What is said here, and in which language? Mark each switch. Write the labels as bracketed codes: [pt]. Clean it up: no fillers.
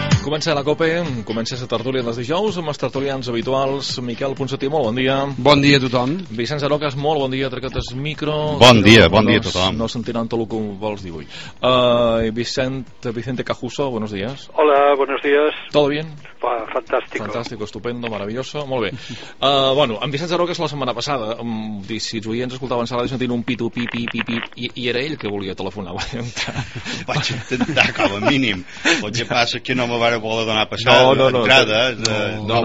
[ca] comença la COPE, comença la tertúlia dels dijous amb els tertulians habituals. Miquel Ponsatí, molt bon dia. Bon dia a tothom. Vicenç Aroques, molt bon dia, Tracates Micro. Bon dia a tothom. No sentiran tot el que vols dir avui. [es] Vicente Cajuso, buenos días. Hola, buenos días. Todo bien? Fantástico. Fantástico, estupendo, maravilloso, molt bé. [ca] Bueno, amb Vicenç Aroques la setmana passada, si els oients escoltaven la ràdio sentint un pitu, pi, pi, pi, pi, i era ell que volia telefonar. Vaig intentar, com a mínim. El que passa és que no me va voler donar passada d'entrada, no